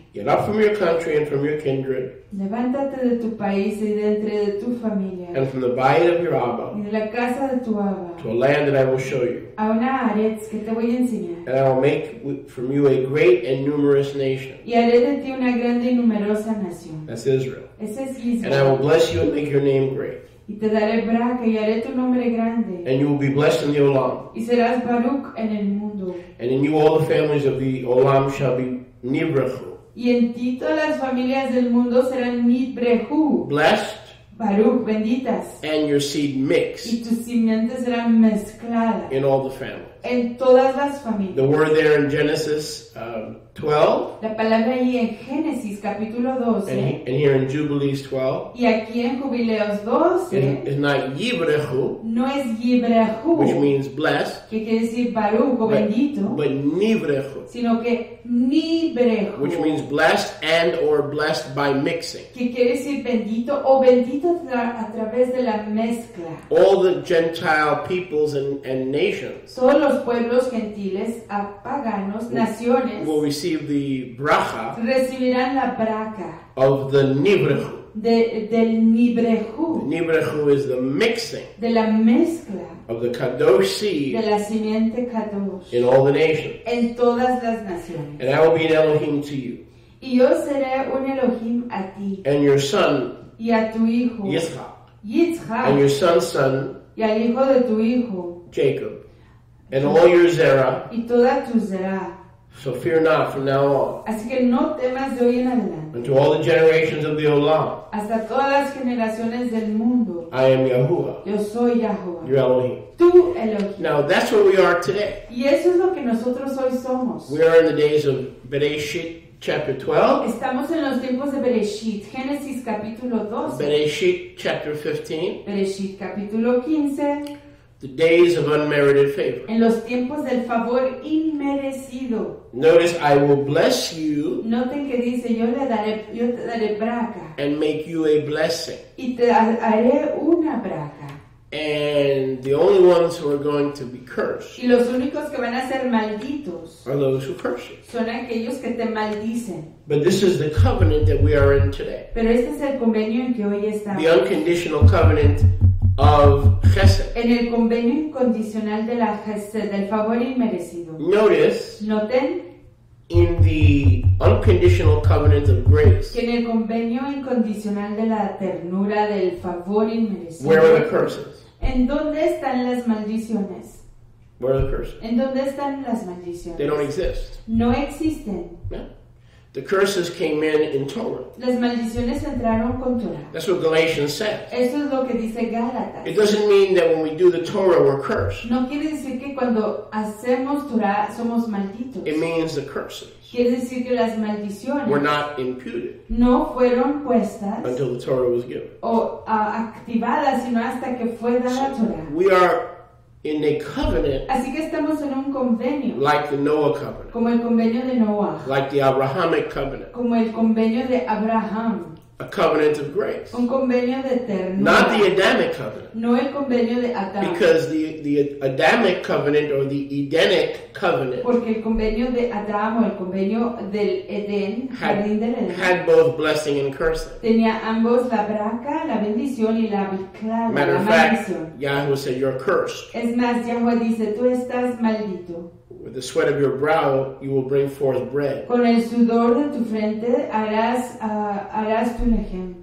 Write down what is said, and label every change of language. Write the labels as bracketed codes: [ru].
[en] get up from your country and from your kindred, [es] levántate de tu país y de entre de tu familia, [en] and from the bayit of your Abba, [es] y de la casa de tu Abba, [en] to a land that I will show you, [es] a una aretz que te voy a enseñar, [en] and I will make from you a great and numerous nation, [es] y haré de ti una grande y numerosa nación, [en] that's Israel, [es] ese es Israel, [en] and I will bless you and make your name great, [es] y te daré braca y haré tu nombre grande, [en] and you will be blessed in the olam, [es] y serás baruch en el mundo, [en] and in you all the families of the olam shall be nibrachu. [es] Y en ti todas las familias del mundo serán nibrehu. [en] Blessed. [es] Baruch, benditas. [en] And your seed mixed. [es] Y tus simientes serán mezcladas. [en] In all the families. [es] en todas las familias. [en] The word there in Genesis 12. [es] La palabra ahí en Génesis capítulo 12. [en] And here in Jubilees 12. [es] Y aquí en Jubileos 12. [en] Is not Yibrehu. [es] No es Yibrehu. [en] Which means blessed. [es] Que quiere decir Baruch o bendito. [en] But Nibrehu. [es] Sino que Nibrehu. [en] Which means blessed and or blessed by mixing. [es] Que quiere decir bendito o bendito a través de la mezcla. [en] All the Gentile peoples and nations. [es] Todos los pueblos gentiles a paganos, naciones. [en] Will receive the bracha. [es] Recibirán la bracha. [en] Of the Nibrehu. [es] Del Nibrehu. [en] The Nibrehu is the mixing. [es] De la mezcla. [en] Of the Kadosh seed. [es] De la simiente Kadosh. [en] In all the nations. [es] En todas las naciones. [en] And I will be an Elohim to you. [es] Y yo seré un Elohim a ti. [en] And your son. [es] Y a tu hijo. [en] Yitzchak. And your son's son. [es] Y al hijo de tu hijo. [en] Jacob. And all your zera. [es] Y toda tu zera. [en] So fear not from now on. [es] Así que no temas de hoy en adelante. [en] Unto all the generations of the olam. [es] Hasta todas las generaciones del mundo. [en] I am Yahuwah. [es] Yo soy Yahuwah. [en] Your Elohim. [es] Tu Elohim. [en] Now that's what we are today. [es] Y eso es lo que nosotros hoy somos. [en] We are in the days of Bereshit chapter 12. [es] Estamos en los tiempos de Bereshit. Génesis capítulo 12. [en] Bereshit chapter 15. [es] Bereshit capítulo 15. [en] The days of unmerited favor. [es] En los tiempos del favor inmerecido. [en] Notice, I will bless you. [es] Noten que dice, yo te daré braca. [en] And make you a blessing. [es] Y te haré una braca. [en] And the only ones who are going to be cursed. [es] Y los únicos que van a ser malditos. [en] Are those who curse you. [es] Son aquellos que te maldicen. [en] But this is the covenant that we are in today. [es] Pero este es el convenio en que hoy estamos. [en] The unconditional covenant of chesed. [es] En el convenio incondicional de la chesed, del favor inmerecido. [en] Notice. [es] Noten. [en] In the unconditional covenant of grace. [es] Que en el convenio incondicional de la ternura, del favor inmerecido. [en] Where are the curses? [es] ¿En dónde están las maldiciones? [en] Where are the curses? [es] ¿En dónde están las maldiciones? [en] They don't exist. [es] No existen. [en] The curses came in Torah. [es] Las maldiciones entraron con Torah. [en] That's what Galatians says. [es] Eso es lo que dice Gálatas. [en] It doesn't mean that when we do the Torah, we're cursed. [es] No quiere decir que cuando hacemos Torah, somos malditos. [en] It means the curses. [es] Quiere decir que las maldiciones [en] were not imputed. [es] No fueron puestas. [en] Until the Torah was given. [es] O activadas, sino hasta que fue dada la Torah. [en] We are in a covenant. [es] Así que estamos en un convenio. [en] Like the Noah covenant. [es] Como el convenio de Noah. [en] Like the Abrahamic covenant. [es] Como el convenio de Abraham. [en] A covenant of grace. [es] Un convenio de ternura. [en] Not the Adamic covenant. [es] No el convenio de Adán. [en] Because the Adamic covenant or the Edenic covenant. [es] Porque el convenio de Adán o el convenio del Edén, jardín del Edén. [en] Had both blessing and cursing. [es] Tenía ambos la braca, la bendición y la maldición. [en] Matter of fact, Yahweh said, you're cursed. [es] Es más, Yahweh dice, tú estás maldito. [en] With the sweat of your brow, you will bring forth bread. [es] Con el sudor de tu frente, harás tu lejem.